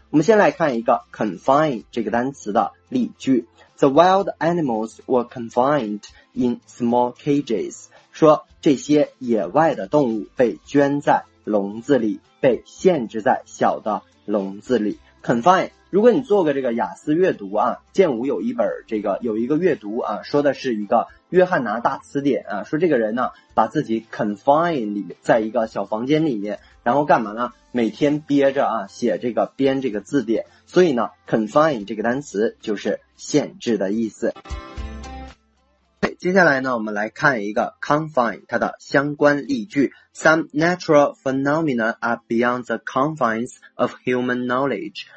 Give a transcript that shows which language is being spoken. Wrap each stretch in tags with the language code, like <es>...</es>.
<zh>我们先来看一个 confine 这个单词的例句。</zh> <en>The wild animals were confined in small cages.</en> <zh>说这些野外的动物被圈在笼子里，被限制在小的笼子里。 confine， 如果你做个这个雅思阅读啊，剑武有一本这个有一个阅读啊，说的是一个约翰拿大词典啊，说这个人呢把自己 confine 里面，在一个小房间里面，然后干嘛呢，每天憋着啊写这个编这个字典。所以呢 confine 这个单词就是限制的意思。接下来呢，我们来看一个 confine 它的相关例句。</zh> <en>Some natural phenomena are beyond the confines of human knowledge.</en>